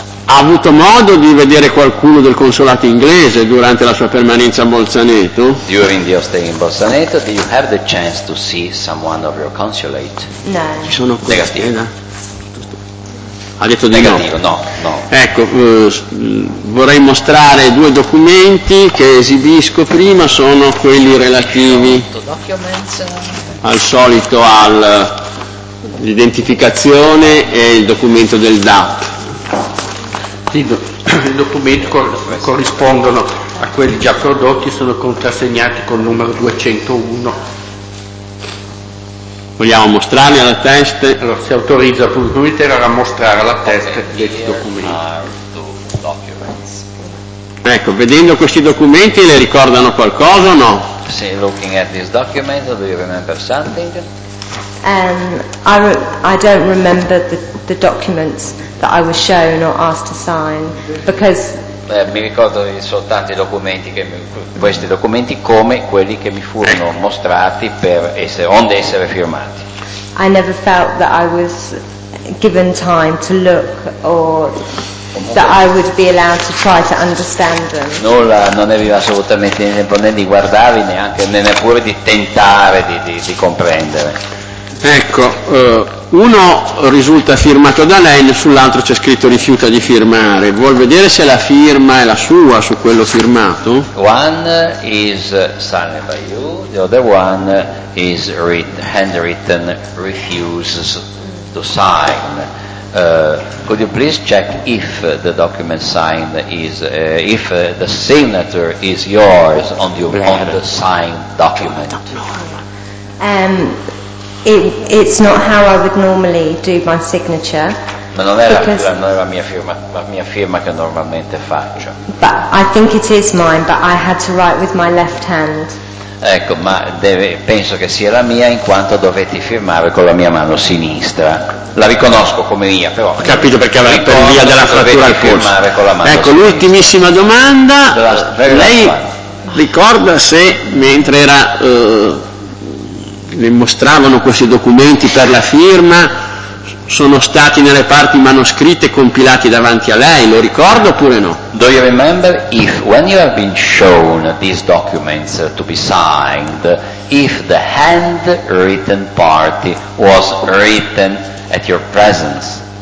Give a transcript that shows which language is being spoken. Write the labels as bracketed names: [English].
[Italian] ha avuto modo di vedere qualcuno del consolato inglese durante la sua permanenza a Bolzaneto? [English] During your stay in Bolzaneto, did you have the chance to see someone of your consulate? No. [Italian] Ci sono queste, negativo. Da? Ha detto di negativo, no. Ecco, vorrei mostrare due documenti che esibisco prima, sono quelli relativi al solito all'identificazione e il documento del DAP. I documenti corrispondono a quelli già prodotti, sono contrassegnati con il numero 201. Vogliamo mostrarli alla testa? Allora, si autorizza il pubblico ministero a mostrare alla testa questi documenti. Ecco, vedendo questi documenti le ricordano qualcosa o no? [English] Se looking at this document, do you remember something? I don't remember the documents that I was shown or asked to sign because [Italian] mi ricordo soltanto i documenti che questi documenti come quelli che mi furono mostrati per essere onde essere firmati. [English] I never felt that I was given time to look or that I would be allowed to try to understand them. [Italian] Nulla, non avevo assolutamente tempo né di guardarli neanche né neppure di tentare di comprendere. Ecco, uno risulta firmato da lei, sull'altro c'è scritto rifiuta di firmare. Vuol vedere se la firma è la sua su quello firmato? [English] One is signed by you, the other one is handwritten refuses to sign. Could you please check if the document signed is if the signature is yours on the signed document? It's not how I would normally do my signature. [Italian] Ma non è la mia firma che normalmente faccio. [English] But I think it is mine, but I had to write with my left hand. [Italian] Ecco, ma penso che sia la mia in quanto dovetti firmare con la mia mano sinistra. La riconosco come mia, però. Ho capito perché aveva per via della frattura al polso. Con la mano ecco, sinistra. L'ultimissima domanda. Lei ricorda se mentre era le mostravano questi documenti per la firma sono stati nelle parti manoscritte compilati davanti a lei, lo ricordo oppure no? [English] Do you remember if when you have been shown these documents to be signed if the handwritten part was written at your presence?